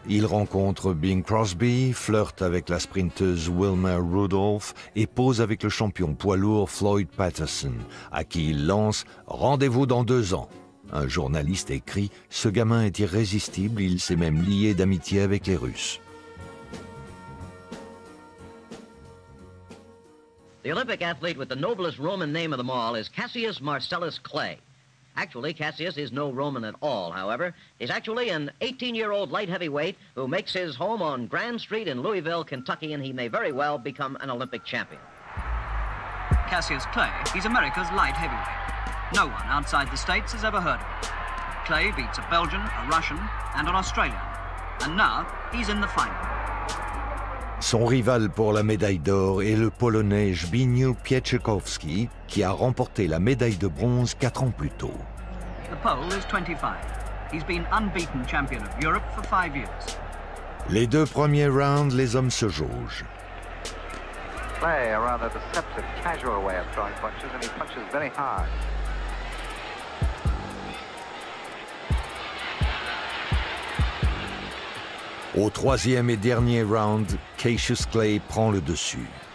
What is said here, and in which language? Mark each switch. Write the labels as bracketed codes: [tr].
[fr] Il rencontre Bing Crosby, flirte avec la sprinteuse Wilma Rudolph et pose avec le champion poids lourd Floyd Patterson, à qui il lance « Rendez-vous dans deux ans ». Un journaliste écrit « Ce gamin est irrésistible, il s'est même lié d'amitié avec les Russes ». [en] The Olympic athlete with the noblest Roman name of them all is Cassius Marcellus Clay. Actually, Cassius is no Roman at all, however. He's actually an 18-year-old light heavyweight who makes his home on Grand Street in Louisville, Kentucky, and he may very well become an Olympic champion. Cassius Clay, he's America's light heavyweight. No one outside the States has ever heard of him. Clay beats a Belgian, a Russian, and an Australian. And now, he's in the final. [fr] Son rival pour la médaille d'or est le Polonais Zbigniew Piechakowski, qui a remporté la médaille de bronze 4 ans plus tôt. [en] The Pole is 25. He's been unbeaten champion of Europe for 5 years. [fr] Les deux premiers rounds, les hommes se jaugent. [en] Clay a rather deceptive, casual way of throwing punches, and he punches very hard. [fr] Au troisième et dernier round, Cassius Clay prend le dessus.